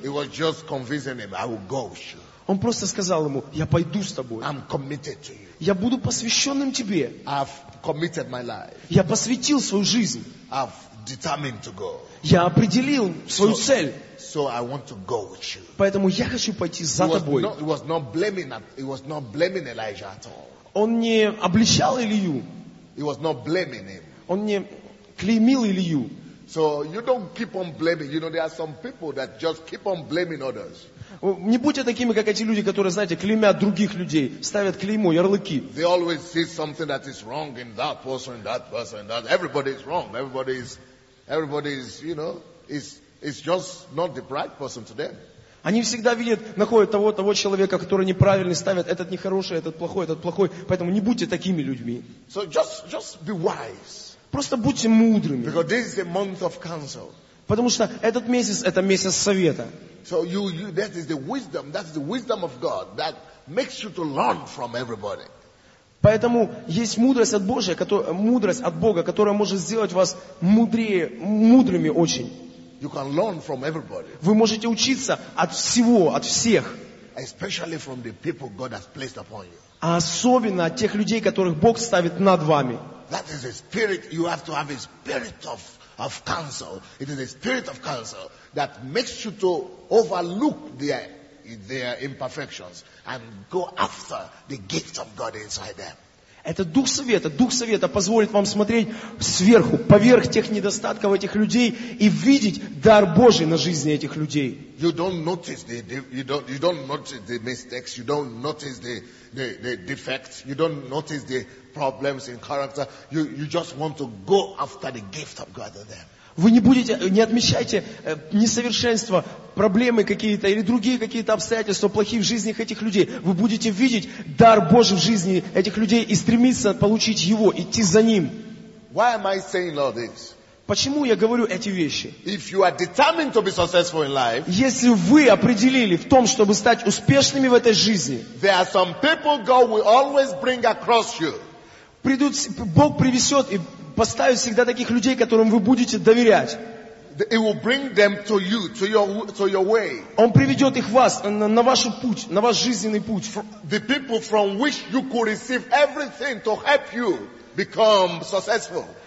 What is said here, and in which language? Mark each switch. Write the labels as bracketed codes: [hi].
[en] He was just convincing him, I will go with you. [ru] Он просто сказал ему: я пойду с тобой. [en] I'm committed to you. [ru] Я буду посвященным тебе. [en] I've committed my life. [ru] Я посвятил свою жизнь. [en] I've determined to go. [ru] Я определил свою цель. [en] So I want to go with you. [ru] Поэтому я хочу пойти за тобой. [en] He was not blaming Elijah at all. [ru] Он не обличал Илью. [en] He was not blaming him. [ru] Он не клеймил Илью. [en] So you don't keep on blaming. You know, there are some people that just keep on blaming others. [ru] Не будьте такими, как эти люди, которые, знаете, клеймят других людей, ставят клеймо, ярлыки. [en] They always see something that is wrong in that person, in that person, in that. Everybody is wrong. Everybody is just not the right person to them. [ru] Они всегда видят, находят того человека, который неправильный, ставят этот нехороший, этот плохой. Поэтому не будьте такими людьми. [en] So just be wise. [ru] Просто будьте мудрыми. [en] Because this is a month of counsel. [ru] Потому что этот месяц – это месяц совета. [en] So you that is the wisdom, that's the wisdom of God that makes you to learn from everybody. [ru] Поэтому есть мудрость от Бога, которая может сделать вас мудрее, мудрыми очень. [en] You can learn from everybody. [ru] Вы можете учиться от всего, от всех. [en] Especially from the people God has placed upon you. [ru] Особенно от тех людей, которых Бог ставит над вами. [en] That is a spirit, you have to have a spirit of counsel. It is a spirit of counsel that makes you to overlook their imperfections and go after the gift of God inside them. [ru] Это дух совета позволит вам смотреть сверху, поверх тех недостатков этих людей и видеть дар Божий на жизни этих людей. [en] You don't notice the mistakes, you don't notice the defects, you don't notice the problems in character. You just want to go after the gift of God in them. [ru] Вы не отмечайте несовершенства, проблемы какие-то или другие какие-то обстоятельства плохие в жизни этих людей. Вы будете видеть дар Божий в жизни этих людей и стремиться получить его, идти за ним. [en] Why am I saying all this? [ru] Почему я говорю эти вещи? [en] If you are determined to be successful in life, [ru] если вы определили в том, чтобы стать успешными в этой жизни, [en] there are some people God will always bring across you. [ru] Придут, Бог привезет и поставить всегда таких людей, которым вы будете доверять. [en] It will bring them to you, to your way. [ru] Он приведет их вас на ваш путь, на ваш жизненный путь. [en] The people from which you could receive everything to help you become successful.